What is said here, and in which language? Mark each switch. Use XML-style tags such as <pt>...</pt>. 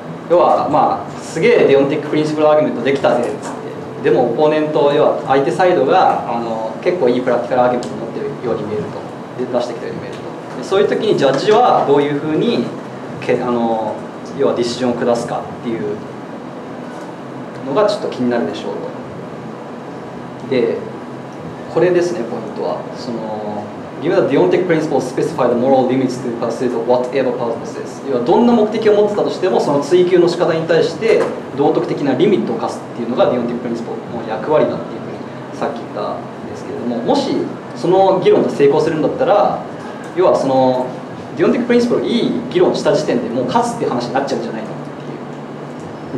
<ja>要はまあすげえデオンティックプリンシプルアーギュメントできたぜっつって、でもオポーネント、要は相手サイドが結構いいプラクティカルアーギュメントを持ってるように見えると、出してきたように見えると。でそういう時にジャッジはどういうふうに要はディシジョンを下すかっていうのがちょっと気になるでしょうと。でこれですね、ポイントは</ja> <en>Give the deontic principle specify the moral limits to pursuit of whatever purpose is.</en> <ja>要はどんな目的を持ってたとしても、その追求の仕方に対して道徳的なリミットを課すっていうのが deontic principle の役割だっていうふうにさっき言ったんですけれども、もしその議論が成功するんだったら、要はその deontic principle いい議論した時点でもう勝つっていう話になっちゃうんじゃないのっていう。</ja>